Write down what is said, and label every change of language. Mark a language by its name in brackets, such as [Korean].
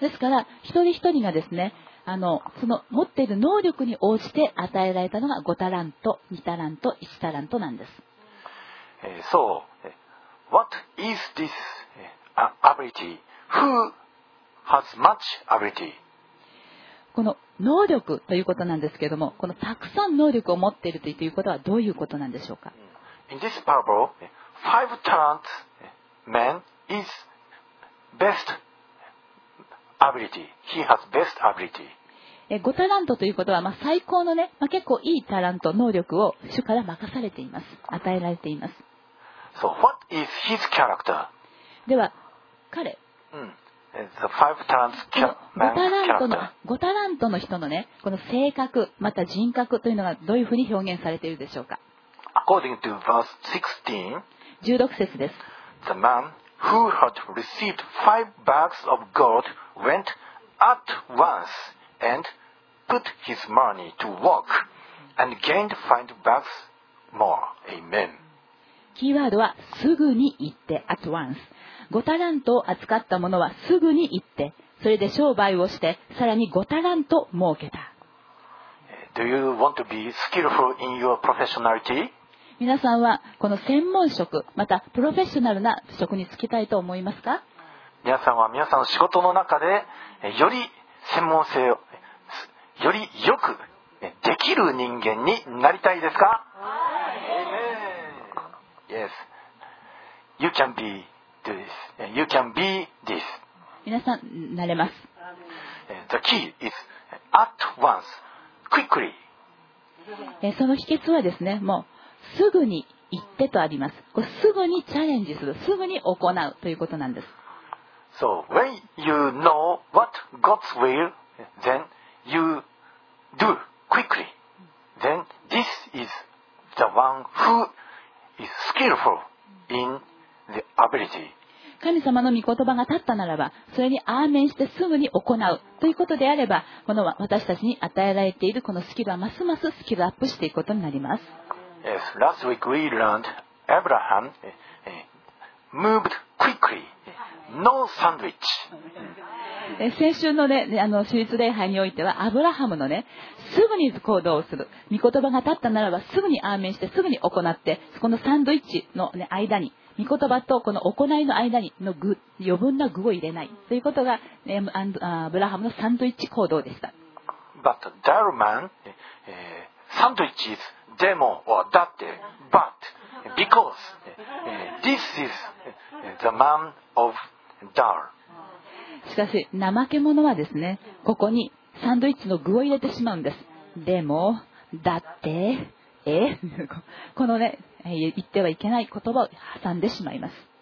[Japanese] ですから一人一人がですね、その持っている能力に応じて与えられたのが5タラント、2タラント、1タラントなんです。 [English] So, what is this ability? Who has much ability? [Japanese] この能力ということなんですけれども、このたくさん能力を持っているということはどういうことなんでしょうか。 [English] In this parable, five talent man is best ability. He has best ability. [Japanese] 5タラントということは、最高のね、結構いいタラント能力を主から任されています。与えられています。 [English] So what is his character? [Japanese] では彼。 [English] The five talents man. [Japanese] 5タラントの 5タラントの人のね、この性格また人格というのがどういうふうに表現されているでしょうか。 [English] According to verse 16, [Japanese] 16節です。 [English] The man who had received five bags of gold went at once and put his money to work and gained five bags more. Amen. [Japanese] キーワードはすぐに行って [English] at once. [Japanese] 五タラントを扱った者はすぐに行って、それで商売をしてさらに五タラント儲けた。 [English] Do you want to be skillful in your professionality? [Japanese] 皆さんはこの専門職またプロフェッショナルな職に就きたいと思いますか。皆さんは皆さんの仕事の中でより専門性をよりよくできる人間になりたいですか。はい。 [English] Yes. You can be this. You can be this. [Japanese] 皆さんなれます。 [English] The key is at once, quickly. [Japanese] その秘訣はですね、もうすぐに行ってとあります。これすぐにチャレンジする、すぐに行うということなんです。 [English] So when you know what God's will, then you do quickly. Then this is the one who is skillful in the ability. [Japanese] 神様の御言葉が立ったならば、それにアーメンしてすぐに行うということであれば、この私たちに与えられているこのスキルはますますスキルアップしていくことになります。 [English] Yes, last week we learned Abraham moved quickly, no sandwich. [Japanese] 先週のね、主日礼拝においてはアブラハムのね、すぐに行動する、御言葉が立ったならばすぐにアーメンしてすぐに行って、そこのサンドイッチの、ね、間に御言葉とこの行いの間にの具、余分な具を入れないということが、ね、アブラハムのサンドイッチ行動でした。 [English] But that man, sandwich is [Japanese] でも、 [English] or that day, but because this is the man of Dar. [Japanese] しかし、怠け者はですね、ここにサンドイッチの具を入れてしまうんです。でも、だって、このね、言ってはいけない言葉を挟んでしまいます。